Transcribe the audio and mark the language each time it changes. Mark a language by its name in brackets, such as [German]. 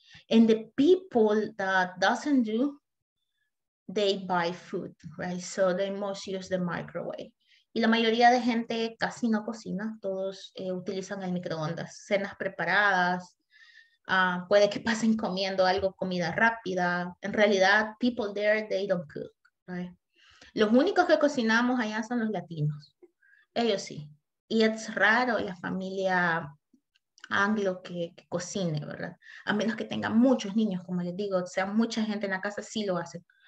[English] And the people that doesn't do, they buy food, right? So, they most use the microwave. [Spanish] Y la mayoría de gente casi no cocina, todos utilizan el microondas, cenas preparadas, puede que pasen comiendo algo, comida rápida. En realidad, [English] people there, they don't cook, right? [Spanish] Los únicos que cocinamos allá son los latinos, ellos sí. Y es raro la familia anglo que cocine, ¿verdad? A menos que tenga muchos niños, como les digo, o sea, mucha gente en la casa sí lo hace.